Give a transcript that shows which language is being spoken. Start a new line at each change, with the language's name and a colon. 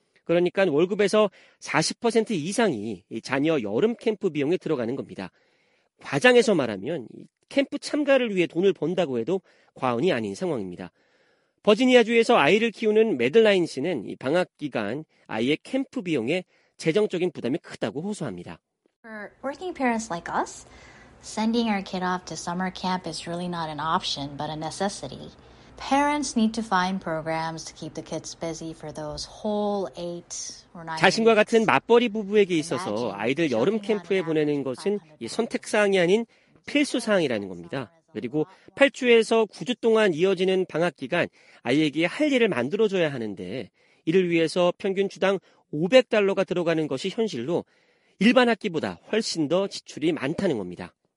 Korean: 그러니까 월급에서 40% 이상이 자녀 여름 캠프 비용에 들어가는 겁니다. 과장해서 말하면 캠프 참가를 위해 돈을 번다고 해도 과언이 아닌 상황입니다. 버지니아주에서 아이를 키우는 매들라인 씨는 방학 기간 아이의 캠프 비용에 재정적인 부담이 크다고 호소합니다.
English: For working parents like us, sending our kid off to summer camp is really not an option, but a necessity. Parents need to find programs to keep the kids busy for those whole 8 or 9
Korean: 자신과 같은 맞벌이 부부에게 있어서 아이들 여름 캠프에 보내는 것은 선택 사항이 아닌 필수 사항이라는 겁니다. 그리고 8주에서 9주 동안 이어지는 방학 기간 아이에게 할 일을 만들어 줘야 하는데 이를 위해서 평균 주당 $500가 들어가는 것이 현실로 일반 학기보다 훨씬 더 지출이 많다는 겁니다.